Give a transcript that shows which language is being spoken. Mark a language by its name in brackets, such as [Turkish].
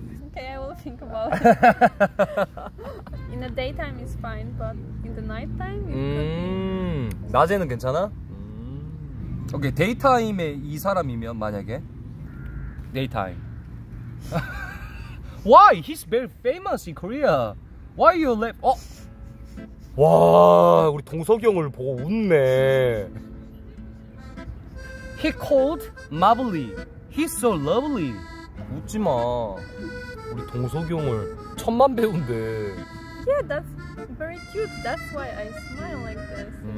[English] Okay, I will think about it. In the daytime is fine, but in the nighttime, it could be... [Korean] 낮에는 괜찮아? Okay, [English] daytime [Korean] 에 이 사람이면 만약에? [English] Daytime. Why? He's very famous in Korea. Why you left? Oh. [Korean] 와, 우리 동석이 형을 보고 웃네. [English] He called Marbly. He's so lovely. [Korean] 웃지 마. 우리 동석이 형을 천만 배우인데 [English] Yeah, that's very cute. That's why I smile like this.